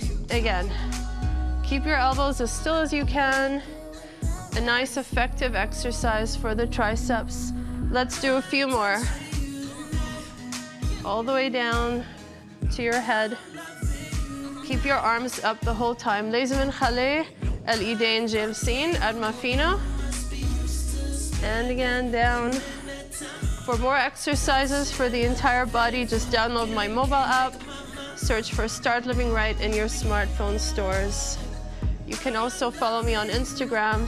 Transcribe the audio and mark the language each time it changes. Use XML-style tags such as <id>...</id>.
<en>Again, keep your elbows as still as you can. A nice effective exercise for the triceps. Let's do a few more. All the way down to your head. Keep your arms up the whole time.</en> <ar>لازم نخلي الإيدين جالسين قد ما فينا.</ar> <en>And again, down. For more exercises for the entire body, just download my mobile app. Search for Start Living Right in your smartphone stores. You can also follow me on Instagram.</en>